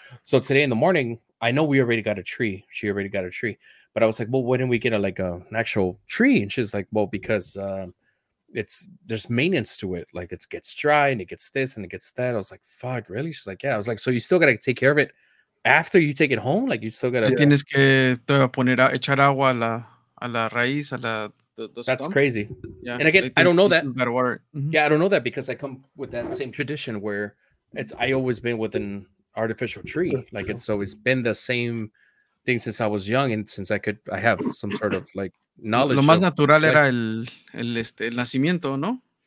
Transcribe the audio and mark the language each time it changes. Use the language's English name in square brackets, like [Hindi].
[English] So today in the morning, I know we already got a tree. She already got a tree. But I was like, well, why didn't we get an actual tree? And she's like, well, because there's maintenance to it. Like, it gets dry and it gets this and it gets that. I was like, fuck, really? She's like, yeah. I was like, so you still got to take care of it after you take it home? Like, you still got to... [Spanish] Tienes que poner echar agua a la raíz, a la... [English] The That's stump? Crazy. Yeah. And again, I don't know that. I don't know that because I come with that same tradition where I always been with an artificial tree. Like, it's always been the same... thing since I was young, and since I have some sort of like knowledge. [Spanish] Lo más natural era el nacimiento, ¿no?